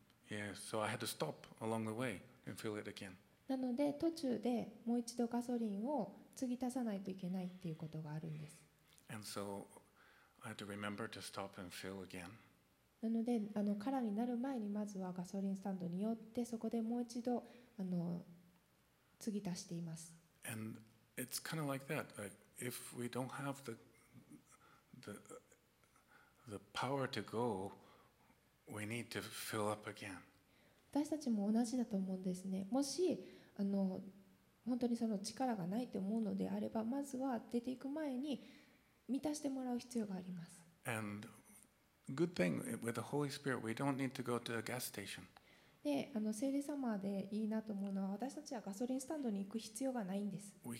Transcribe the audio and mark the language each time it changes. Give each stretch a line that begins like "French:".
English: Yeah, so I had to stop along the way and fill it again.
Japanese: なので途中でもう一度ガソリンを継ぎ足さないといけないっていうことがあるんです。
English: And so I had to remember to stop and fill again.
Japanese: なので空になる前にまずはガソリンスタンドに寄ってそこでもう一度継ぎ足しています。
English: And It's kind of like that. Like if we don't have the power to go, we need to fill up again.
Japanese: 私たちも同じだと思うんですね。もし本当にその力がないと思うのであれば、まずは出ていく前に満たしてもらう必要があります。
English: And good thing with the Holy Spirit, we don't need to go to a gas station.
Japanese: で聖霊様でいいなと思うのは、私たちはガソリンスタンドに行く必要がないんです。